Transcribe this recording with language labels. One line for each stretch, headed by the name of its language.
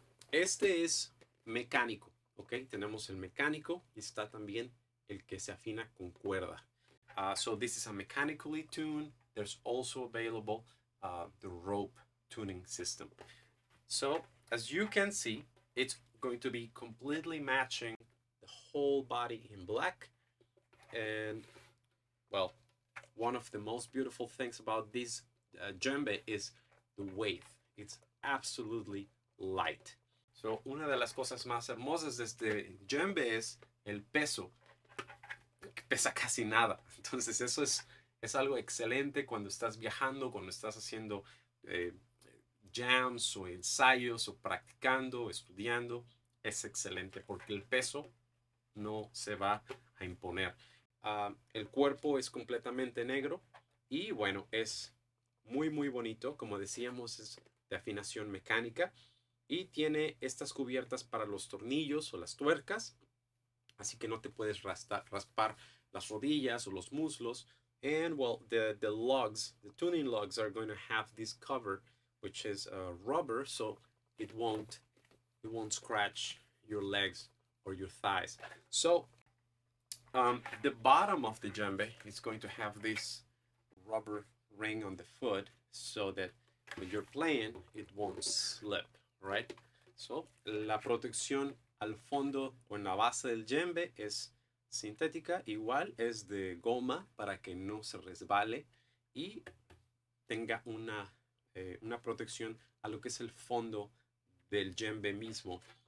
Spanish: Este es mecánico, ok, tenemos el mecánico y está también el que se afina con cuerda.
English: So this is a mechanically tuned, there's also available the rope tuning system. So as you can see, it's going to be completely matching the whole body in black. And well, one of the most beautiful things about this djembe is the weight. It's absolutely light.
Spanish: So, una de las cosas más hermosas de este djembe es el peso. Pesa casi nada. Entonces, eso es algo excelente cuando estás viajando, cuando estás haciendo jams o ensayos o practicando, estudiando. Es excelente porque el peso no se va a imponer. El cuerpo es completamente negro y bueno, es muy, muy bonito. Como decíamos, es de afinación mecánica. Y tiene estas cubiertas para los tornillos o las tuercas. Así que no te puedes raspar las rodillas o los muslos.
English: And well, the lugs, the tuning lugs are going to have this cover, which is rubber, so it won't scratch your legs or your thighs. So the bottom of the djembe is going to have this rubber ring on the foot so that when you're playing, it won't slip.
Spanish: Right, so la protección al fondo o en la base del djembe es sintética, igual es de goma para que no se resbale y tenga una protección a lo que es el fondo del djembe mismo.